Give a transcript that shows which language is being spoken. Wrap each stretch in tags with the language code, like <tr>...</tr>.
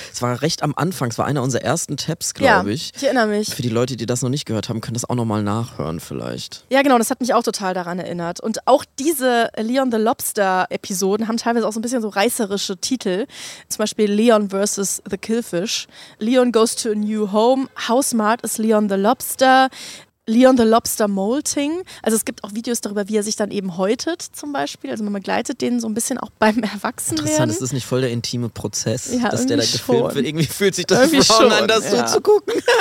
<de>Es war recht am Anfang, es war einer unserer ersten Tabs, glaube ich. Ja, ich erinnere mich. Für die Leute, die das noch nicht gehört haben, können das auch nochmal nachhören vielleicht. Ja genau, das hat mich auch total daran erinnert. Und auch diese Leon the Lobster-Episoden haben teilweise auch so ein bisschen so reißerische Titel. Zum Beispiel</de> <en>Leon vs. the Killfish. Leon goes to a new home. How smart is Leon the Lobster? Leon the Lobster molting.</en> <de>Also es gibt auch Videos darüber, wie er sich dann eben häutet zum Beispiel. Also man begleitet den so ein bisschen auch beim Erwachsenwerden. Interessant, ist das nicht voll der intime Prozess, ja, dass der da gefilmt schon. Wird? Irgendwie fühlt sich das irgendwie schon an, das so zu gucken.</de>